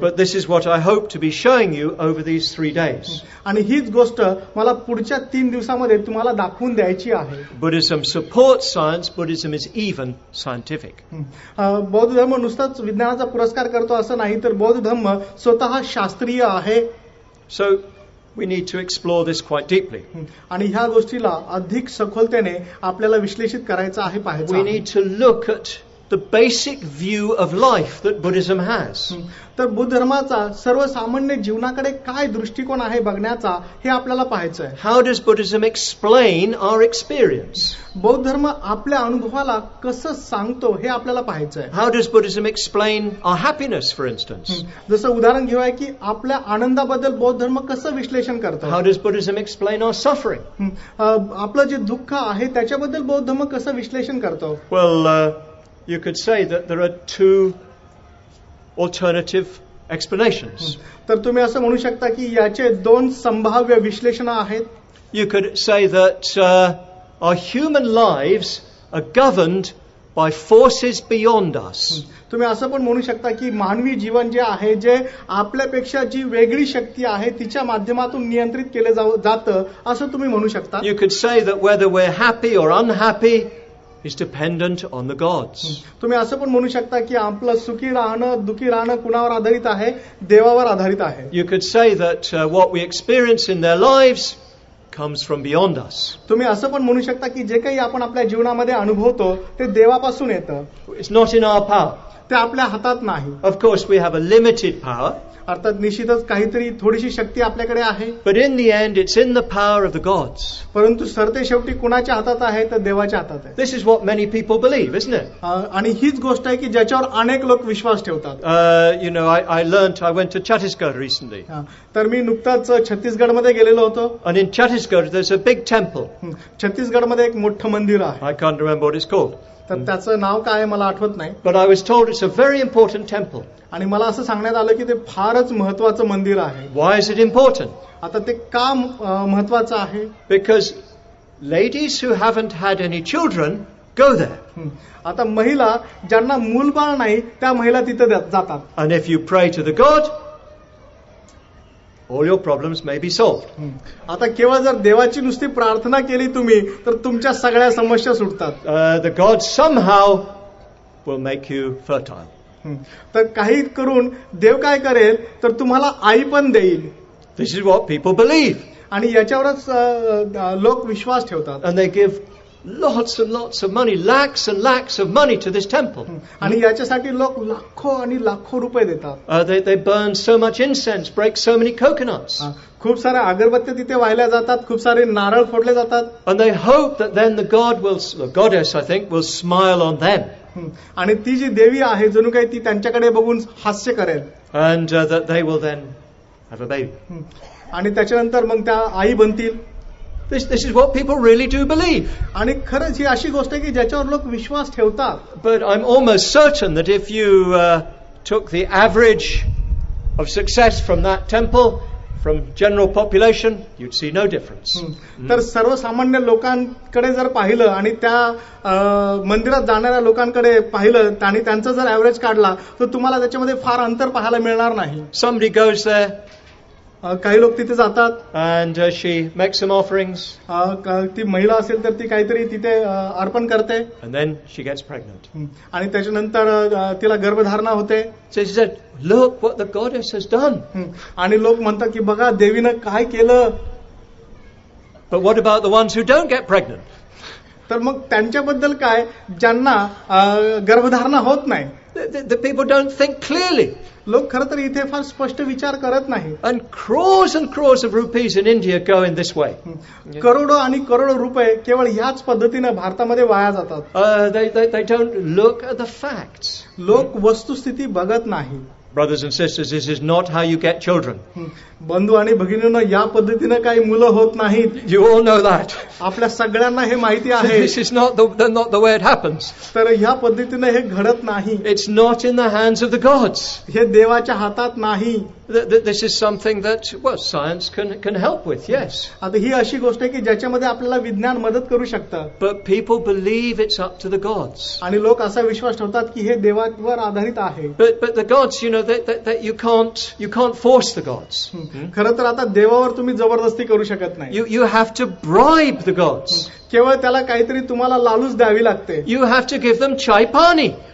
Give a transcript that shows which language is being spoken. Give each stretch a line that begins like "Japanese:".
English: But this is what I hope to be showing you over these three days.
Marathi: आणि हीच गोष्ट मला पुढच्या तीन दिवसांमध्ये तुम्हाला दाखवून द्यायची आहे.
English: Buddhism supports science, Buddhism is even scientific.
Marathi: बौद्ध धर्म नुसताच विज्ञानाचा पुरस्कार करतो असं नाही तर बौद्ध धर्म स्वतः शास्त्रीय आहे.
English: So we need to explore this quite deeply.
Marathi: आणि ह्या गोष्टीला अधिक सखोलतेने आपल्याला विश्लेषित करायचं आहे पाहिजे.
English: We need to look at the basic view of life that Buddhism has.
Marathi: तर बुद्ध धर्माचा सर्वसामान्य जीवनाकडे काय दृष्टिकोन आहे बघण्याचा हे आपल्याला पाहायचं आहे.
English: How does Buddhism explain our experience?
Marathi: बौद्ध धर्म आपल्या अनुभवाला कसं सांगतो हे आपल्याला पाहायचं आहे.
English: How does Buddhism explain our happiness, for instance?
Marathi: जसं उदाहरण घेऊ की आपल्या आनंदाबद्दल बौद्ध धर्म कसं विश्लेषण करतो.
English: How does Buddhism explain our suffering?
Marathi: आपलं जे दुःख आहे त्याच्याबद्दल बौद्ध धर्म कसं विश्लेषण करतो.
English: Well, you could say that there are two alternative explanations.
Marathi: तर तुम्ही असं म्हणू शकता की याचे दोन संभाव्य विश्लेषण आहेत.
English: You could say that our human lives are governed by forces beyond us.
Marathi: तुम्ही असं पण म्हणू शकता की मानवी जीवन जे आहे जे आपल्यापेक्षा जी वेगळी शक्ती आहे तिच्या माध्यमातून नियंत्रित केले जातं असं तुम्ही म्हणू शकता.
English: You could say that whether we're happy or unhappy is dependent on the gods.
Marathi: तुम्ही असं पण म्हणू शकता की आपलं सुखी राहणं दुखी राहणं कुणावर आधारित आहे. देवावर आधारित आहे.
English: You could say that what we experience in their lives comes from beyond us.
Marathi: तुम्ही असं पण म्हणू शकता की जे काही आपण आपल्या जीवनामध्ये अनुभवतो ते देवापासून येतं.
English: It's not in our power.
Marathi: ते आपल्या हातात नाही.
English: Of course we have a limited power.
Marathi: अर्थात निश्चितच काहीतरी थोडीशी शक्ती आपल्याकडे आहे.
English: But in the end it's in the power of the gods.
Marathi: परंतु सरते शेवटी कुणाच्या हातात आहे तर देवाच्या हातात आहे.
English: This is what many people believe, isn't it?
Marathi: आणि हीच गोष्ट आहे की ज्याच्यावर अनेक लोक विश्वास ठेवतात.
English: You know, I learned, I went to Chhattisgarh recently.
Marathi: तर मी नुकताच छत्तीसगड मध्ये गेलेलो होतो.
English: And in Chhattisgarh there's a big temple.
Marathi: Chhattisgarh मध्ये एक मोठं मंदिर आहे.
English: I can't remember what it's called.
Marathi: तर त्याचं नाव काय मला आठवत नाही.
English: But I was told it's a very important temple.
Marathi: आणि मला असं सांगण्यात आलं की ते फारच महत्वाचं मंदिर आहे.
English: Why is it important?
Marathi: आता ते का महत्वाचं आहे.
English: Because ladies who haven't had any children go there.
Marathi: आता महिला ज्यांना मूलबाळ नाही त्या महिला तिथे जातात.
English: And if you pray to the god all your problems may be solved.
Marathi: आता केवळ जर देवाची नुसती प्रार्थना केली तुम्ही तर तुमच्या सगळ्या समस्या सुटतात.
English: The god somehow will make you fertile.
Marathi: तर काही करून देव काय करेल तर तुम्हाला आई पण देईल.
English: This is what people believe.
Marathi: आणि याच्यावरच लोक विश्वास ठेवतात.
English: And they give lots and lots of money, lakhs and lakhs of money to this temple. They burn so much incense, break so many coconuts. And they hope that then the god will, the goddess I think, will smile on them. And that they will then have a baby. This is what people really do believe. But I'm almost certain that if you took the average of success from that temple, from general population, you'd see no difference.
Marathi: तर सर्वसामान्य लोकांकडे जर पाहिलं आणि त्या मंदिरात जाणाऱ्या लोकांकडे पाहिलं आणि त्यांचा जर एवरेज काढला तर तुम्हाला त्याच्यामध्ये फार अंतर पाहायला मिळणार नाही.
English: Somebody goes there.
Marathi: काही लोक तिथे जातात.
English: And she makes some offerings.
Marathi: ती महिला असेल तर ती काहीतरी तिथे अर्पण करते.
English: And then she gets pregnant.
Marathi: आणि त्याच्यानंतर तिला गर्भधारणा होते.
English: So she said, look what the goddess has done.
Marathi: आणि लोक म्हणतात की बघा देवीने काय केलं.
English: But what about the ones who don't get pregnant?
Marathi: तर मग त्यांच्याबद्दल काय ज्यांना गर्भधारणा होत नाही.
English: The people don't think clearly.
Marathi: लोक खरं तर इथे फार स्पष्ट विचार करत नाही.
English: And crores of rupees in India go in this way.
Marathi: करोडो आणि करोडो रुपये केवळ याच पद्धतीने भारतामध्ये वाया जातात.
English: They don't look at the facts.
Marathi: लोक वस्तुस्थिती बघत नाही.
English: Brothers and sisters, this is not how you get children.
Marathi: बंधू आणि भगिनींनो या पद्धतीने काही मुलं होत नाहीत.
English: You all know that.
Marathi: आपल्या सगळ्यांना हे माहिती आहे.
English: This is not the way it happens.
Marathi: तर या पद्धतीने हे घडत नाही.
English: It's not in the hands of the gods.
Marathi: हे देवाच्या हातात नाही.
English: This is something that science can help with, yes.
Marathi: आता ही अशी गोष्ट आहे की ज्याच्यामध्ये आपल्याला विज्ञान मदत करू शकतं.
English: But people believe it's up to the gods.
Marathi: आणि लोक असा विश्वास ठेवतात की हे देवावर आधारित आहे.
English: But the gods, you know, that you can't force the gods.
Marathi: खर तर आता देवावर तुम्ही जबरदस्ती करू शकत नाही.
English: You have to bribe the gods.
Marathi: केवळ त्याला काहीतरी तुम्हाला लालूच द्यावी लागते.
English: you have to give them
Hindi: चाय पाणी.